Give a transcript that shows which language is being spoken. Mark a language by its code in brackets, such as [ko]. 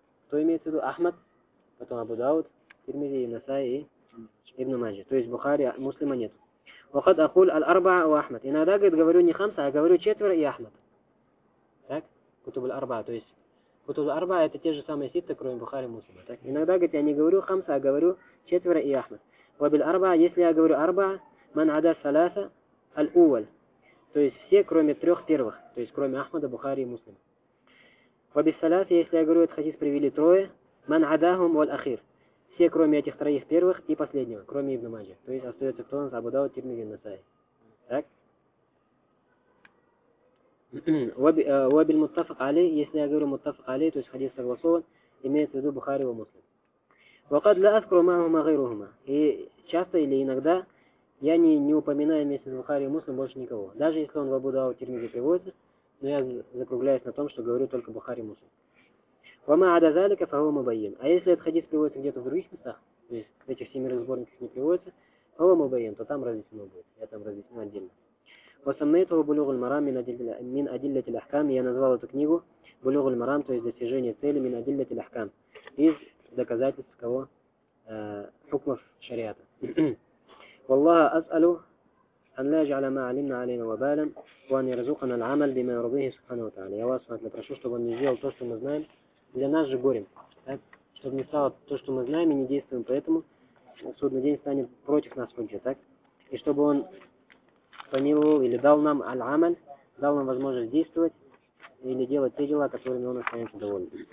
[ru] То имеется в виду Ахмад, потом Абудаут, Тирмизи, аль-Насаи и Ибн Маджи. То есть Бухари, Муслима нет. [ar] وقد اقول الاربعه واحمد. [ru] Иногда, говорит, говорю не хамса, а говорю четверо и Ахмад. Так? Кутуб аль-арба, то есть кутуб аль-арба это те же самые ситта, кроме Бухари и Муслима, так? Иногда, говорит, я не говорю хамса, а говорю четверо и Ахмад. [ar] وبالاربعه, [ru] если я говорю арба, [ar] من عدا ثلاثه الاول. [ru] То есть все, кроме трёх первых, то есть кроме Ахмада, Бухари и Муслима. [ar] وبالثلاثه, [ru] если я говорю этот хадис привели трое, [ar] من عداهم والاخير. [ru] Все, кроме этих троих первых и последнего, кроме Ибн Маджа. То есть остается кто у нас? Абу Дауд, Тирмизи, Насаи. Так? Вабиль муттафак али, если я говорю муттафак али, то есть хадис согласован, имеется в виду Бухари и Муслим. [ar] Вакад ла аскру маху магируху. [ru] И часто или иногда я не упоминаю вместе с Бухари и Муслим больше никого. Даже если он в Абу Дауд, Тирмизи приводится, но я закругляюсь на том, что говорю только Бухари и Муслим. [ar] وَمَا عَدَ ذَلِكَ فَهُوَ مُبَيِّنٌ. [ru] А если этот хадис приводится где-то в других местах, то есть в этих семерых сборниках не приводится, [ar] فَهُوَ مُبَيِّنٌ, [ru] то там разъяснено будет. Я там разъясню отдельно. [ar] وَسَمَّيْتُهُ بُلُغُ الْمَرَامِ مِنْ أَدِلَّةِ الْأَحْكَامِ. [ru] Я назвал эту книгу بُلُغُ الْمَرَامِ, то есть достижение цели, مِنْ أَدِلَّةِ الْأَحْكَامِ, из доказательств кого? Хукмов шариата. [ar] والله أسأله أن لا يجعل ما علمنا علينا وبالا وأن يرزقنا العمل بما يرضيه سبحانه وتعالى. [ru] Я вас смотрю, прошу, чтобы он не сделал то, что мы знаем, для нас же горем, так? Чтобы не стало то, что мы знаем и не действуем, поэтому судный день станет против нас уже, так? И чтобы он помиловал или дал нам аль-амаль, дал нам возможность действовать или делать те дела, которыми он останется доволен.